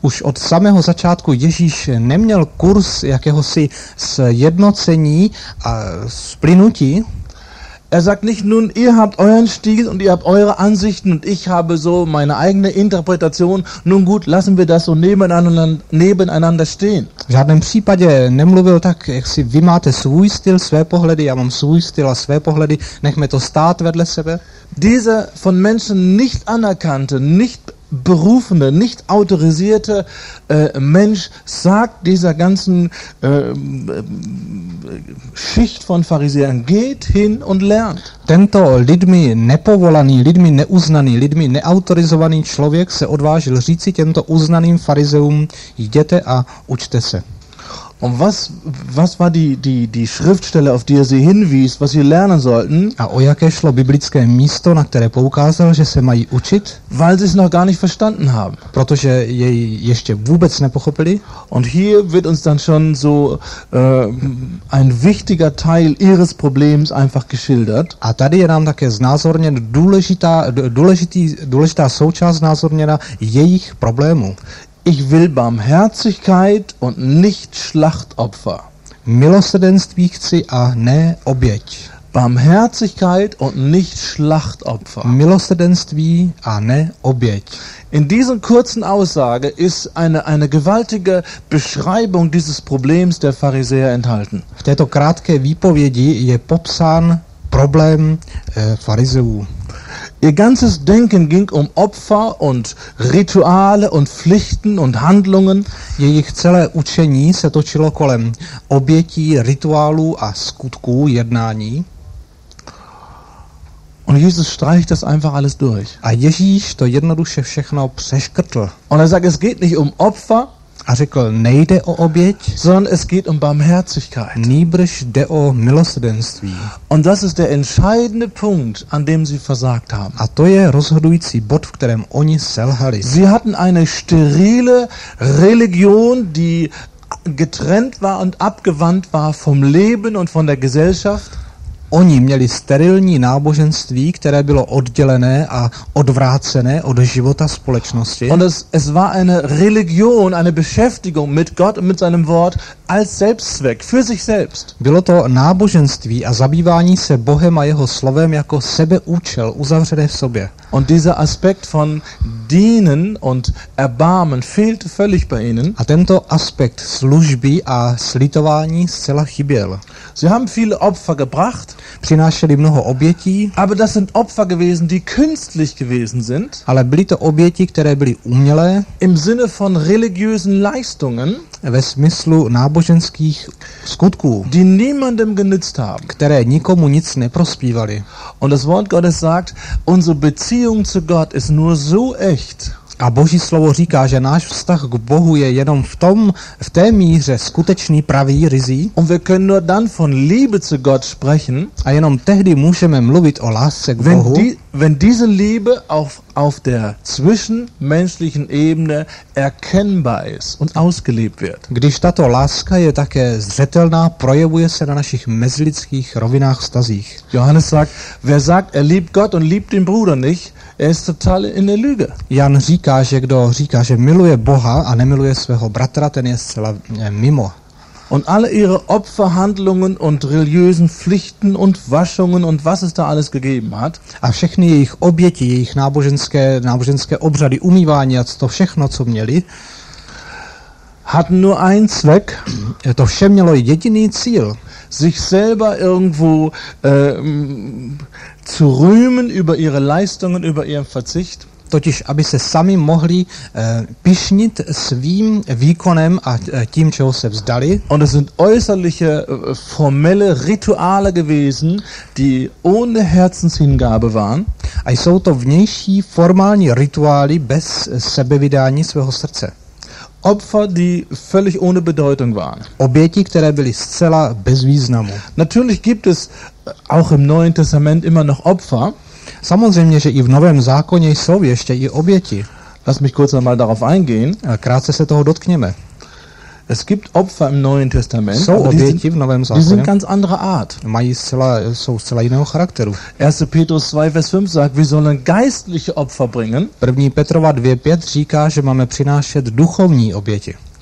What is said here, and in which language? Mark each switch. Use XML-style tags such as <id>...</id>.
<cs>Už od samého začátku Ježíš neměl kurz jakéhosi sjednocení a splynutí.</cs> <de>Er sagt nicht, nun, ihr habt euren Stil und ihr habt eure Ansichten und ich habe so meine eigene Interpretation. Nun gut, lassen wir das so nebeneinander stehen.</de> <cs>V žádném případě nemluvil tak, jak si vy máte svůj styl, své pohledy, já mám svůj styl a své pohledy, nechme to stát vedle sebe.</cs> <de>Diese von Menschen nicht anerkannte, nicht berufene, nicht autorisierte Mensch sagt dieser ganzen Schicht von Pharisäern, geht hin und lernt.</de> <cs>Tento lidmi nepovolaný, lidmi neuznaný, lidmi neautorizovaný člověk se odvážil říci těmto uznaným farizeům, jděte a učte se.</cs> <de>Und was war die Schriftstelle, auf die er sie hinwies, was sie lernen sollten?</de> <cs>A o jaké šlo biblické místo, na které poukázal, že se mají učit?</cs> <de>Weil sie es noch gar nicht verstanden haben.</de> <cs>Protože jej ještě vůbec nepochopili.</cs> <de>Und hier wird uns dann schon so ein wichtiger Teil ihres Problems einfach geschildert.</de> <cs>A tady je nám také znázorněn důležitá součást znázorněna jejich problémů.</cs> <de>Ich will Barmherzigkeit und nicht Schlachtopfer.</de> <cs>Milosrdenství chci a ne oběť.</cs> <de>Barmherzigkeit und nicht Schlachtopfer.</de> <cs>Milosrdenství a ne oběť.</cs> <de>In dieser kurzen Aussage ist eine gewaltige Beschreibung dieses Problems der Pharisäer enthalten.</de> <cs>V této krátké výpovědi je popsán problém farizeů.</cs> <de>Ihr ganzes Denken ging um Opfer und Rituale und Pflichten und Handlungen.</de> <cs>Jejich celé učení se točilo kolem obětí, rituálů a skutků, jednání.</cs> <de>Und Jesus streicht das einfach alles durch.</de> <cs>A Ježíš to jednoduše všechno přeškrtl.</cs> <de>Und er sagt, es geht nicht um Opfer.</de> <cs>A řekl, nejde o oběť,</cs> <de>sondern es geht um Barmherzigkeit.</de> <cs>Nýbrž jde o milosrdenství.</cs> <de>Und das ist der entscheidende Punkt, an dem sie versagt haben.</de> <cs>A to je rozhodující bod, v kterém oni selhali.</cs> <de>Sie hatten eine sterile Religion, die getrennt war und abgewandt war vom Leben und von der Gesellschaft.</de> <cs>Oni měli sterilní náboženství, které bylo oddělené a odvrácené od života společnosti.</cs> <de>Und es war eine Religion, eine Beschäftigung mit Gott und mit seinem Wort als Selbstzweck, für sich selbst.</de> <cs>Bylo to náboženství a zabývání se Bohem a jeho slovem jako sebeúčel, uzavřené v sobě.</cs> <de>Und dieser Aspekt von dienen und erbarmen fehlte völlig bei ihnen.</de> <cs>A tento aspekt služby a slitování zcela chyběl.</cs> <de>Sie haben viele Opfer gebracht.</de> <cs>Přinášeli mnoho obětí.</cs> <de>Aber das sind Opfer gewesen, die künstlich gewesen sind.</de> <cs>Ale byly to oběti, které byly umělé.</cs> <de>Im Sinne von religiösen Leistungen.</de> <cs>Ve smyslu náboženských skutků.</cs> <de>Die niemandem genützt haben.</de> <cs>Které nikomu nic neprospívaly.</cs> <de>Und das Wort Gottes sagt, unsere Beziehung zu Gott ist nur so echt.</de> <cs>A Boží slovo říká, že náš vztah k Bohu je jenom v té míře skutečný, pravý, ryzí.</cs> <de>Und wir können nur dann von Liebe zu Gott sprechen.</de> <cs>A jenom tehdy můžeme mluvit o lásce k Bohu.</cs> <de>Wenn diese Liebe auf der zwischenmenschlichen Ebene erkennbar ist und ausgelebt wird.</de> <cs>Když tato láska je také zřetelná, projevuje se na našich mezilidských rovinách, stazích.</cs> <de>Johannes sagt, wer sagt, er liebt Gott und liebt den Bruder nicht, er ist total in der Lüge.</de> <cs>Jan říká, že kdo říká, že miluje Boha a nemiluje svého bratra, ten je zcela mimo.</cs> <de>Und alle ihre Opferhandlungen und religiösen Pflichten und Waschungen und was es da alles gegeben hat.</de> <cs>A všechny jejich oběti, jejich náboženské obřady, umývání a to všechno, co měli,</cs> <de>hatten nur einen Zweck.</de> <cs>To vše mělo jediný cíl.</cs> <de>Sich selber irgendwo zu rühmen über ihre Leistungen, über ihren Verzicht.</de> <cs>Totiž, aby se sami mohli pyšnit svým výkonem a tím, čeho se vzdali.</cs> <de>Und es sind äußerliche formelle Rituale gewesen, die ohne Herzenshingabe waren.</de> <cs>A jsou to vnější formální rituály bez sebevydání svého srdce.</cs> <de>Opfer, die völlig ohne Bedeutung waren.</de> <cs>Oběti, které byly zcela bez významu.</cs> <de>Natürlich gibt es auch im Neuen Testament immer noch Opfer.</de> <cs>Samozřejmě, že i v Novém zákoně jsou ještě i oběti.</cs> <de>Lass mich kurz einmal darauf eingehen.</de> <cs>Krátce se toho dotkněme.</cs> <de>Es gibt Opfer im Neuen Testament.</de> <cs>Jsou oběti v Novém zákoně.</cs> <de>Die sind ganz andere Art.</de> <cs>Jsou zcela jiného charakteru.</cs> <de>1. Petrus 2, Vers 5 sagt, wir sollen geistliche Opfer bringen.</de> <cs>1. Petrova 2, 5 říká, že máme přinášet duchovní oběti.</cs>